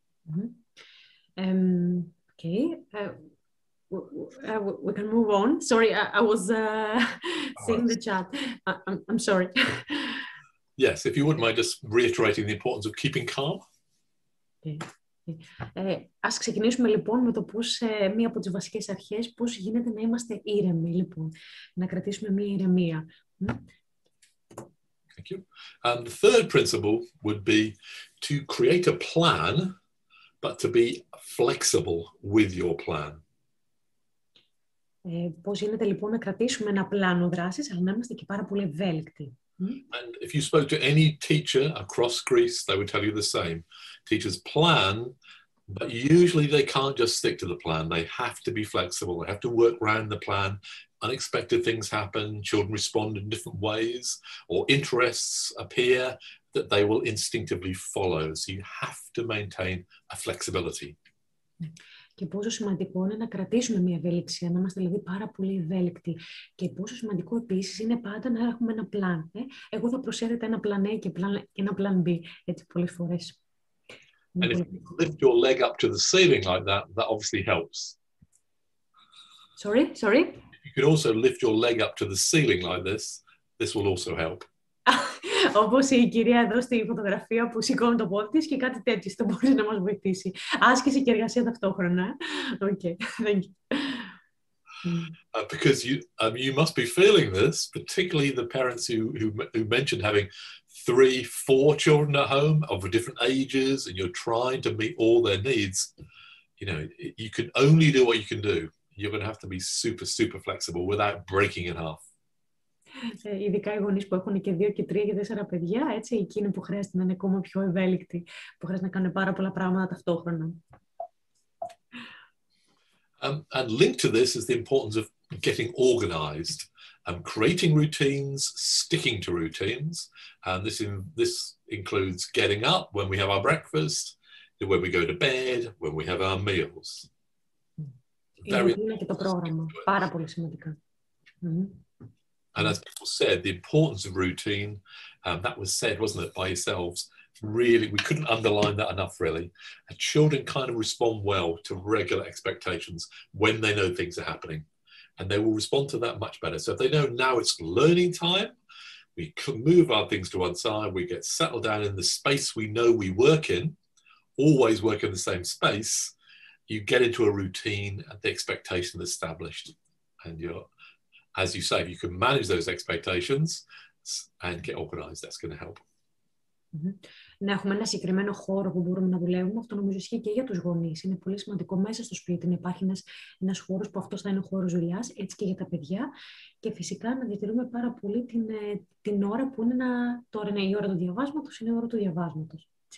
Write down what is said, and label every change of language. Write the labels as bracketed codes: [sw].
[en] Mm-hmm. Okay. We can move on. Sorry, I was seeing the chat. I'm sorry. Yes, if you wouldn't mind just reiterating the importance of keeping calm. Okay. [el] Ας ξεκινήσουμε λοιπόν με το πώς μία από τις βασικές αρχές, πώς γίνεται να είμαστε ήρεμοι, λοιπόν, να κρατήσουμε μία ηρεμία. [en] Thank you. And the third principle would be to create a plan, but to be flexible with your plan. [el] Πώς γίνεται λοιπόν να κρατήσουμε ένα πλάνο δράσης, αλλά να είμαστε και πάρα πολύ ευέλικτοι. [en] And if you spoke to any teacher across Greece, they would tell you the same. Teachers plan, but usually they can't just stick to the plan. They have to be flexible. They have to work around the plan. Unexpected things happen. Children respond in different ways, or interests appear that they will instinctively follow. So you have to maintain a flexibility. [el] Και πόσο σημαντικό είναι να κρατήσουμε μια ευέλιξη, να είμαστε δηλαδή πάρα πολύ ευέλικτοι. Και πόσο σημαντικό επίσης είναι πάντα να έχουμε ένα πλάν. Εγώ θα προσέρετε ένα πλάν A και ένα πλάν B, έτσι πολλές φορές. [en] And if you lift your leg up to the ceiling like that, that obviously helps. Sorry? You could also lift your leg up to the ceiling like this. This will also help. [el] Όπως η κυρία εδώ στη φωτογραφία που σηκώνει το πόδι της και κάτι τέτοιο, το μπορεί να μας βοηθήσει. Άσκηση και εργασία ταυτόχρονα. [en] Okay, thank you. Because you must be feeling this, particularly the parents who mentioned having 3-4 children at home of different ages and you're trying to meet all their needs. You know, you can only do what you can do. You're going to have to be super, super flexible without breaking in half. [el] Ειδικά οι γονείς που έχουν και 2, 3 και 4 παιδιά, έτσι, εκείνοι που χρειάζεται να είναι ακόμα πιο ευέλικτοι, που χρειάζεται να κάνουν πάρα πολλά πράγματα ταυτόχρονα. [en] And linked to this is the importance of getting organized, creating routines, sticking to routines. And this includes getting up when we have our breakfast, when we go to bed, when we have our meals. [el] Είναι και το πρόγραμμα, πάρα πολύ σημαντικά. [en] And as people said, the importance of routine, that was said, wasn't it, by yourselves, really, we couldn't underline that enough, really. Children kind of respond well to regular expectations when they know things are happening, and they will respond to that much better. So if they know now it's learning time, we can move our things to one side, we get settled down in the space we know we work in, always work in the same space, you get into a routine, the expectation established, and you're... As you say, if you can manage those expectations and get organized, that's going to help. [el] Να έχουμε ένα συγκεκριμένο χώρο που μπορούμε να δουλεύουμε, αυτό νομίζω ισχύει και για τους γονείς. Είναι πολύ σημαντικό μέσα στο σπίτι να υπάρχει ένας χώρος που αυτός θα είναι ο χώρος δουλειάς, έτσι και για τα παιδιά. Και φυσικά να διατηρούμε πάρα πολύ την ώρα που είναι τώρα είναι η ώρα του διαβάσματος, είναι η ώρα του διαβάσματος.